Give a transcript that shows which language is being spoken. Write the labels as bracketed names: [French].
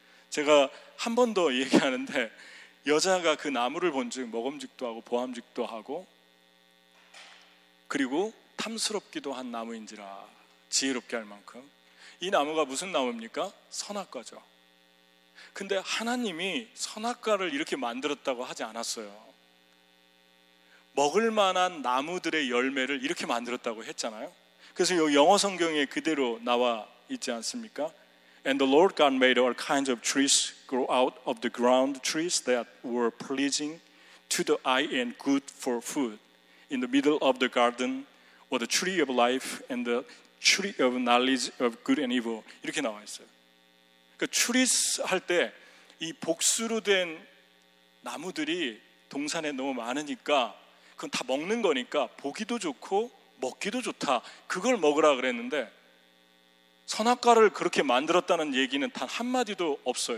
[Korean] 제가 한 번 더 얘기하는데 여자가 그 나무를 본 즉 먹음직도 하고 보암직도 하고 그리고 탐스럽기도 한 나무인지라 지혜롭게 할 만큼 이 나무가 무슨 나무입니까? 선악과죠. 근데 하나님이 선악과를 이렇게 만들었다고 하지 않았어요. 먹을 만한 나무들의 열매를 이렇게 만들었다고 했잖아요. 그래서 여기 영어 성경에 그대로 나와 있지 않습니까? [English] And the Lord God made all kinds of trees grow out of the ground, trees that were pleasing to the eye and good for food. In the middle of the garden were the tree of life and the tree of knowledge of good and evil. [Korean] 이렇게 나와 있어요. 그 추리할 때 이 복수로 된 나무들이 동산에 너무 많으니까 그건 다 먹는 거니까 보기도 좋고 먹기도 좋다. 그걸 먹으라 그랬는데 선악과를 그렇게 만들었다는 얘기는 단 한마디도 없어요.